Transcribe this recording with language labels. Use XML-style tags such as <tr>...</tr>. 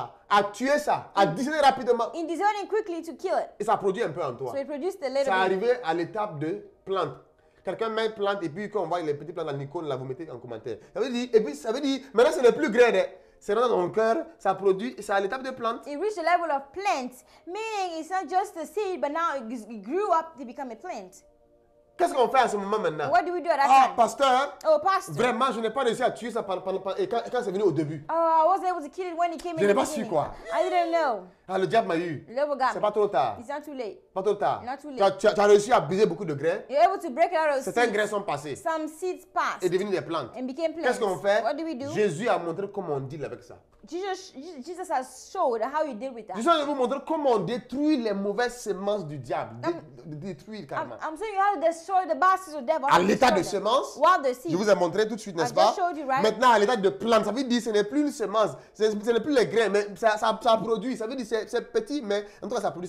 <fr>À tuer ça, à discerner rapidement.</fr> <en>In discerning quickly to kill it.</en> <fr>Et ça produit un peu en toi.</fr> <en>So it produced a little.</en> <fr>Ça arrive à l'étape de plante. Quelqu'un met plante et puis quand on voit les petites plantes dans l'icône, là, vous mettez en commentaire. Ça veut dire, et puis ça veut dire, maintenant c'est le plus grand. C'est dans ton cœur, ça produit, c'est à l'étape de plante.</fr> <en>It reached the level of plant, meaning it's not just a seed, but now it grew up to become a plant.</en> <fr>Qu'est-ce qu'on fait à ce moment maintenant?</fr> <en>What do we do at that ah, time?</en> <fr>Pasteur.</fr> <en>Oh, pastor.</en> <fr>Vraiment, je n'ai pas réussi à tuer ça par et quand c'est venu au début.</fr> <en>Oh, I wasn't able to kill it when it came</en> <fr>je Je n'ai pas su quoi.</fr> <en>I didn't know.</en> <fr>Ah, le diable m'a eu.</fr> <en>Level got</en> <fr>c'est pas trop tard.</fr> <en>It's not too late.</en> <fr>Pas trop tard.</fr> <en>Not too late.</en> <fr>Tu as réussi à briser beaucoup de grains.</fr> <en>You're able to break a lot of</en> <fr>seeds. Certains grains sont passés.</fr> <en>Some seeds passed.</en> <fr>Et devenu des plantes.</fr> <en>And became plants.</en> <fr>Qu'est-ce qu'on fait?</fr> <en>What do we do?</en> <fr>Jésus a montré comment on deal avec ça.</fr> <en>Jesus has showed how you deal with that.</en> <fr>Jésus a vous montré comment on détruit les mauvaises semences du diable. Détruire carrément.</fr> <en>I'm saying you have to destroy destroy the basket of devil.</en> <fr>À l'état de semence.</fr> <en>While the seed.</en> <fr>Je vous ai montré tout de suite, n'est-ce pas?</fr> <en>I just showed you, right?</en> <fr>Maintenant, à l'état de plante, ça veut dire que ce n'est plus une semence. Ce n'est plus les grains, mais ça produit. Ça veut dire que c'est petit, mais en tout cas, ça produit.</fr>